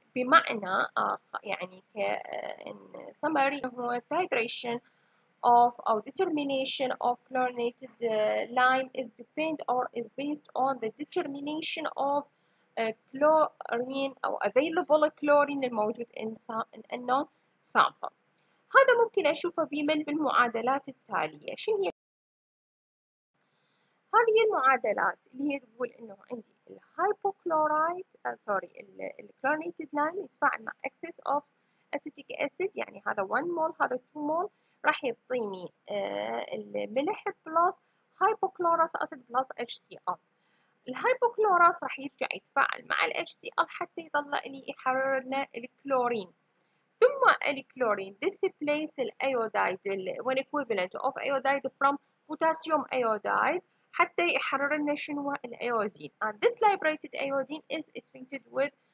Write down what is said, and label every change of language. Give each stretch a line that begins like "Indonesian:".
Arabic: بمعنى يعني
English: in summary هو titration of أو determination of chlorinated lime is depend or is based on the determination of chlorine أو available chlorine الموجود in a non-sample.
Arabic: هذا ممكن أشوفه بمن بالمعادلات التالية. شنو هي هذه المعادلات اللي هي تقول إنه عندي الhypochlorite sorry الchlorinated lime يتفاعل مع
English: excess of acetic acid
Arabic: يعني هذا 1 مول هذا 2 مول راح يعطيني الملح
English: plus hypochlorous acid plus HCl.
Arabic: الهايبوكلوراس راح يرجع يتفاعل مع ال HCl حتى يطلع لي يحرر لنا الكلورين. ثم الكلورين
English: displace ال iodide when equivalent of iodide from potassium iodide
Arabic: حتى يحرر لنا شنو الايودين.
English: And this liberated iodine is treated with